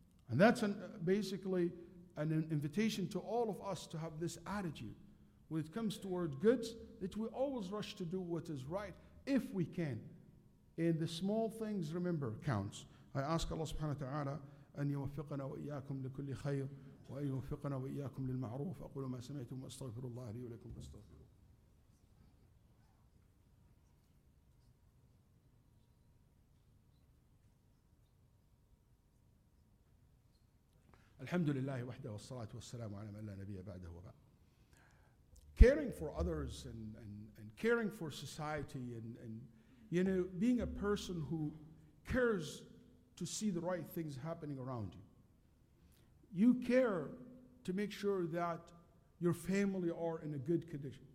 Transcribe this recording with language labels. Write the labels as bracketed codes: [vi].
[en] And that's basically an invitation to all of us to have this attitude. When it comes toward goods, that we always rush to do what is right, if we can. And the small things, remember, counts. I ask Allah subhanahu wa ta'ala, [ar] أن يوفقنا وإياكم لكل خير. وأن يوفقنا وإياكم للمعروف. أقول ما سمعتم وأستغفر الله لي ولكم فاستغفروه. الحمد لله وحده والصلاة والسلام على من لا نبي بعده وبعد. [en] Caring for others and caring for society and you know, being a person who cares to see the right things happening around you. You care to make sure that your family are in a good condition.